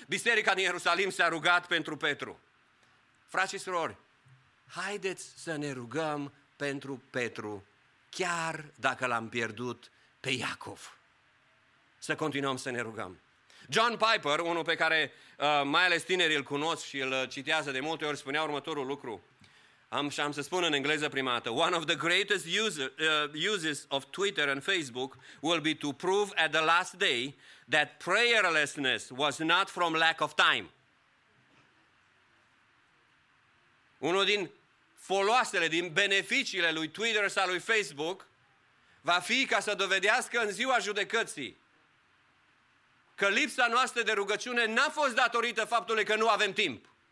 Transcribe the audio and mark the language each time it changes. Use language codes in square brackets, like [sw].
[ro] Biserica din Ierusalim s-a rugat pentru Petru. Frați și surori, haideți să ne rugăm pentru Petru, chiar dacă l-am pierdut pe Iacov. Să continuăm să ne rugăm. John Piper, unul pe care mai ales tinerii îl cunosc și îl citează de multe ori, spunea următorul lucru. Am să spun în engleză prima dată. [en] One of the greatest uses of Twitter and Facebook will be to prove at the last day that prayerlessness was not from lack of time. [ro] Unul din foloasele, din beneficiile lui Twitter sau lui Facebook va fi ca să dovedească în ziua judecății că lipsa noastră de rugăciune n-a fost datorită faptului că nu avem timp.